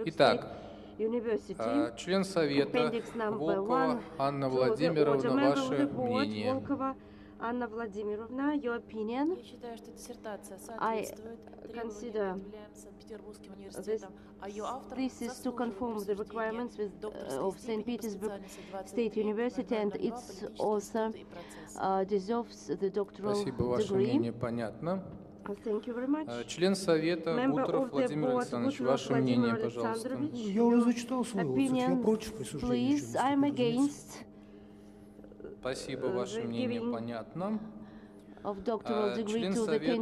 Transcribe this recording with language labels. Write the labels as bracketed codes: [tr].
[ru] Итак, член совета Волкова Анна Владимировна, ваше мнение. [en] Анна Владимировна, your opinion? [ru] Я считаю, что диссертация соответствует требованиям, предъявляемым Санкт-Петербургским университетом, а ее автор заслуживает присуждения [en] of St. Petersburg State University and its author deserves the doctoral degree. [ru] Спасибо, ваше мнение понятно. [en] Thank you very much. [ru] Член совета Гутров Владимир Александрович, ваше мнение, пожалуйста. Я уже зачитал свой отзыв, я против присуждения. Спасибо, ваше мнение понятно. [en] Of doctoral degree [ru] член совета,